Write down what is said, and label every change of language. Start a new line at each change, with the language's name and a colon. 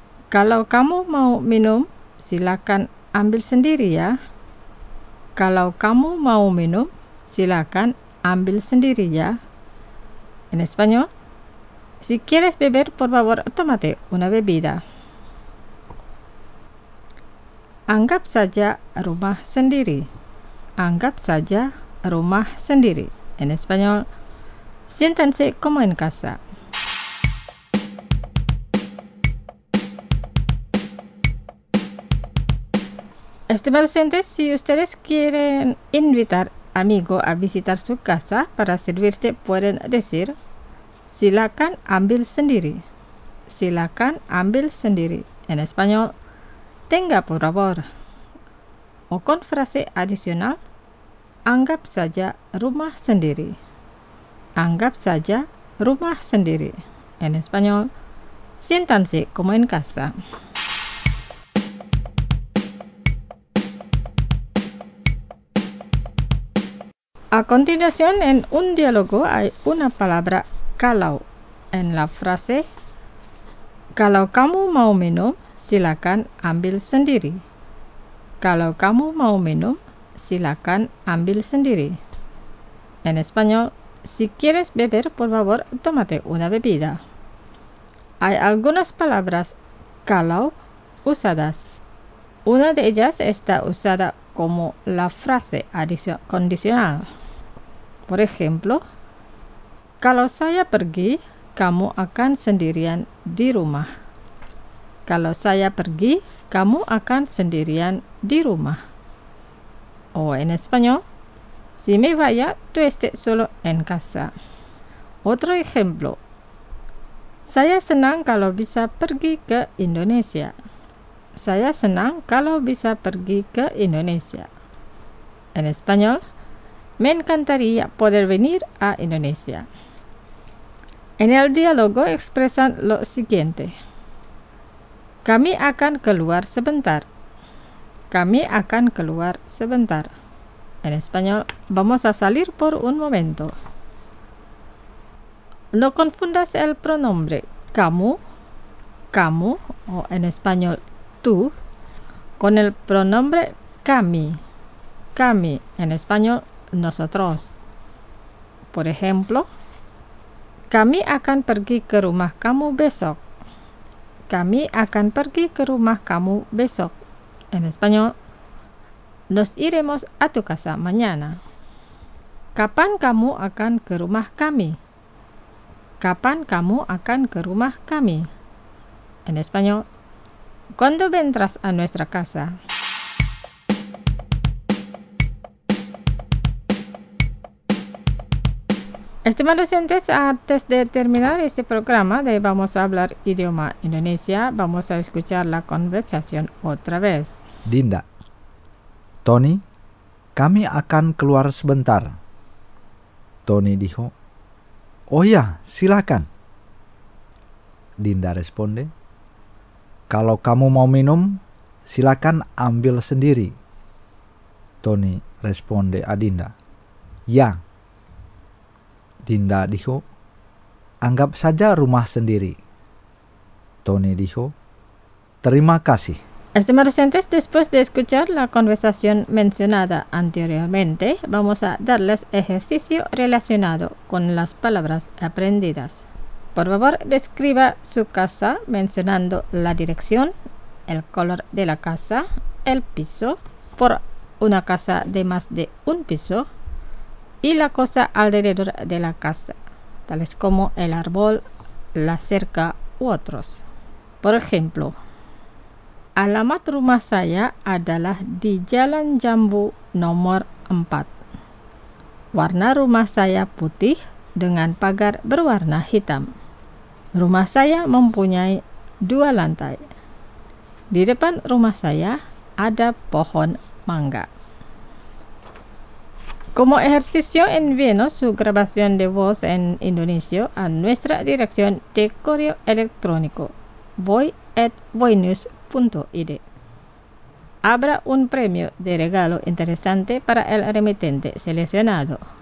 Indonesian: Kalau kamu mau minum, silakan ambil sendiri ya. Kalau kamu mau minum, silakan ambil sendiri ya.
Spanish: En español, si quieres beber, por favor, tómate una bebida.
Indonesian: Anggap saja rumah sendiri. Anggap saja rumah sendiri.
Spanish: En español, siéntanse como en casa. Estimados oyentes, si ustedes quieren invitar amigo a visitar su casa para servirse, pueden decir,
Indonesian: silakan ambil sendiri. Silakan ambil sendiri.
Spanish: En español, tenga por favor. O con frase adicional,
Indonesian: anggap saja rumah sendiri. Anggap saja rumah sendiri.
Spanish: En español, siéntanse como en casa. A continuación, en un diálogo hay una palabra kalau. En la frase,
Indonesian: kalau kamu mau minum, silakan ambil sendiri.
Spanish: Kalau kamu mau minum, silakan ambil sendiri. En español, si quieres beber, por favor, tómate una bebida. Hay algunas palabras kalau usadas. Una de ellas está usada como la frase condicional. Por ejemplo,
Indonesian: kalau saya pergi, kamu akan sendirian di rumah. Kalau saya pergi, kamu akan sendirian di rumah.
Spanish: O en español, si me vaya, tú estés solo en casa. Otro ejemplo,
Indonesian: saya senang kalau bisa pergi ke Indonesia. Saya senang kalau bisa pergi ke Indonesia.
Spanish: En español, me encantaría poder venir a Indonesia. En el diálogo expresan lo siguiente.
Indonesian: Kami akan keluar sebentar. Kami akan keluar sebentar.
Spanish: En español, vamos a salir por un momento. No confundas el pronombre kamu, kamu, o en español tú, con el pronombre kami, kami, en español nosotros. Por ejemplo,
Indonesian: kami akan pergi ke rumah kamu besok. Kami akan pergi ke rumah kamu besok.
Spanish: En español, nos iremos a tu casa mañana.
Indonesian: Kapan kamu akan ke rumah kami? Kapan kamu akan ke rumah kami?
Spanish: En español, ¿cuándo vendrás a nuestra casa? Estimados oyentes, antes de terminar este programa de Vamos a Hablar Idioma Indonesia, vamos a escuchar la conversación otra vez.
Indonesian: Dinda, Tony, kami akan keluar sebentar. Tony
Spanish: dijo,
Indonesian: oh ya, silakan. Dinda
Spanish: responde,
Indonesian: kalau kamu mau minum, silakan ambil sendiri.
Spanish: Tony responde a Dinda, ya.
Indonesian: Dinda
Spanish: dijo,
Indonesian: anggap saja rumah sendiri. Tony
Spanish: dijo,
Indonesian: terima kasih.
Spanish: Estimados oyentes, después de escuchar la conversación mencionada anteriormente, vamos a darles ejercicio relacionado con las palabras aprendidas. Por favor, describa su casa mencionando la dirección, el color de la casa, el piso, por una casa de más de un piso, y la cosa alrededor de la casa, tales como el árbol, la cerca u otros. Por ejemplo,
Indonesian: alamat rumah saya adalah di Jalan Jambu nomor 4. Warna rumah saya putih dengan pagar berwarna hitam. Rumah saya mempunyai 2 lantai. Di depan rumah saya ada pohon mangga.
Spanish: Como ejercicio, envíenos su grabación de voz en indonesio a nuestra dirección de correo electrónico voy@voynews.id. Habrá un premio de regalo interesante para el remitente seleccionado.